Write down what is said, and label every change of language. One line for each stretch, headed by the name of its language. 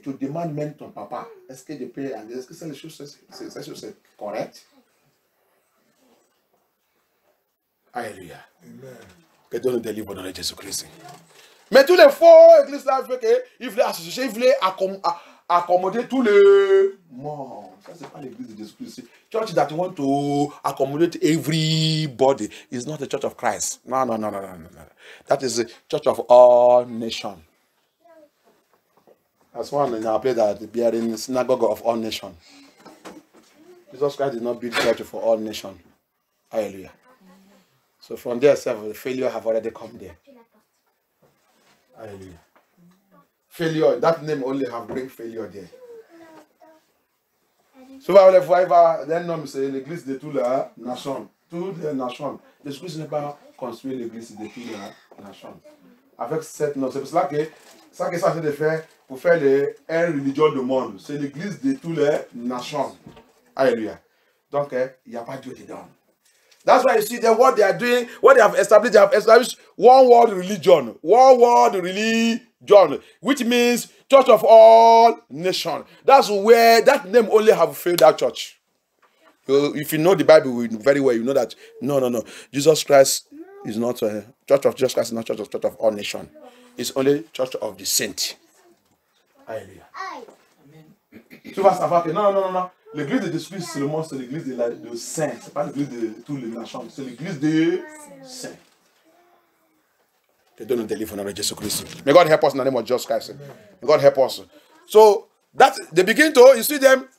French: Tu demandes même ton papa, est-ce que je peux aller? Est-ce que ces choses c'est correct? Alléluia. Que Dieu nous délivre dans le Jésus-Christ. Mais tous les faux églises là, ils voulaient accommoder tout le monde. Ça, c'est pas l'église de Jésus-Christ.
English: Church that want to accommodate everybody is not the church of Christ. No. That is the church of all nations. That's one in our place that we are in the synagogue of all nations. Jesus Christ did not build church for all nations. Hallelujah. So from there, self, the failure have already come there. Hallelujah. Failure, that name only have bring failure there.
French: Souvent, les fois, leur nom, c'est l'église de toutes les nations. Toutes les nations. Jésus-Christ n'est pas construit l'église de toutes les nations. Avec cette nom, c'est pour cela que ça qu'il s'agit de faire pour faire les religions du monde. C'est l'église de toutes les nations. Alléluia. Donc, il n'y a pas Dieu dedans.
English: That's why you see them, what they are doing, what they have established one world religion. One world religion, which means church of all nations. That's where that name only have failed that church. If you know the Bible very well, you know that. No. Jesus Christ is not a church of Jesus Christ, is not church of all nations. It's only church of the saint. Hallelujah. Amen.
French: Tu vas savoir que non. L'église de Jésus-Christ, c'est le monde, c'est l'église de saints. Ce n'est pas l'église de tous les nations, c'est l'église de saints. Que Dieu nous délivre au nom de Jésus-Christ.
English: May God help us in the name of Jesus Christ. May God help us. So, that, they begin to, you see them.